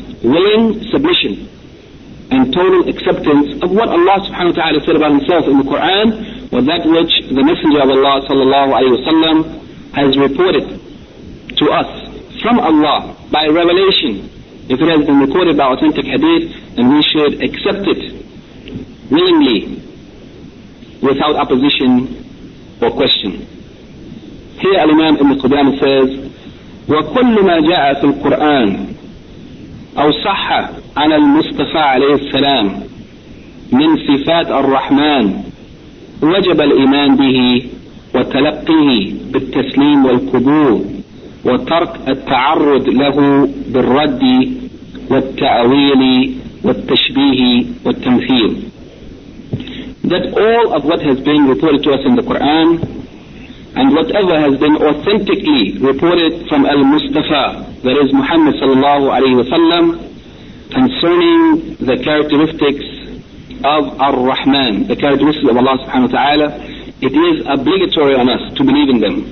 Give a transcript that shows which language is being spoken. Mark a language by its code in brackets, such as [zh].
[en] Willing submission and total acceptance of what Allah subhanahu wa ta'ala said about himself in the Quran, or that which the Messenger of Allah sallallahu alayhi wa sallam has reported to us from Allah by revelation. If it has been recorded by authentic hadith, then we should accept it willingly without opposition or question. [ar] Here Al-Imam Ibn Qudamah says, وَكُلُّ مَا جَاءَ فِي الْقُرْآنِ أَوْ صَحَّ عَنَ الْمُصْطَفَى عَلَيْهِ السَّلَامِ مِنْ صِفَاتِ الرَّحْمَنِ وَجَبَ الْإِيمَانِ بِهِ وَتَلَقِّهِ بِالتَّسْلِيمِ وَالْقُبُولِ وترك التعرض له بالرد والتأويل والتشبيه والتمثيل. [en] That all of what has been reported to us in the Quran and whatever has been authentically reported from Al-Mustafa, that is Muhammad sallallahu alayhi wa sallam, concerning the characteristics of Ar-Rahman, the characteristics of Allah subhanahu wa ta'ala, it is obligatory on us to believe in them.